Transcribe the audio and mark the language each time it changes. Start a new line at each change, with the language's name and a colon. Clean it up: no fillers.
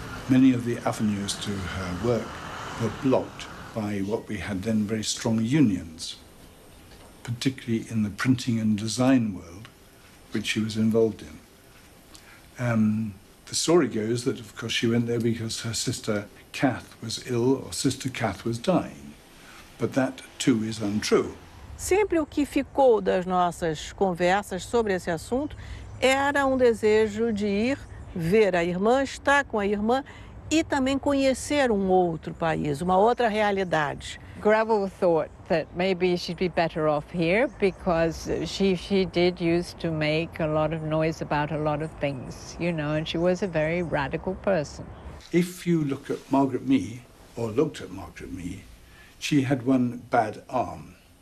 English: Many of the avenues to her work were blocked by what we had then very strong unions, particularly in the printing and design world, which she was involved in. The story goes that, of course, she went there because her sister Kath was ill, or sister Kath was dying. But that, too, is untrue.
Portuguese: Sempre o que ficou das nossas conversas sobre esse assunto era um desejo de ir ver a irmã, estar com a irmã e também conhecer um outro país, uma outra realidade.
English: Gravel thought that maybe she'd be better off here because she did used to make a lot of noise about a lot of things, you know, and she was a very radical person. If you look at Margaret Mee, or looked at Margaret Mee, she had one bad arm.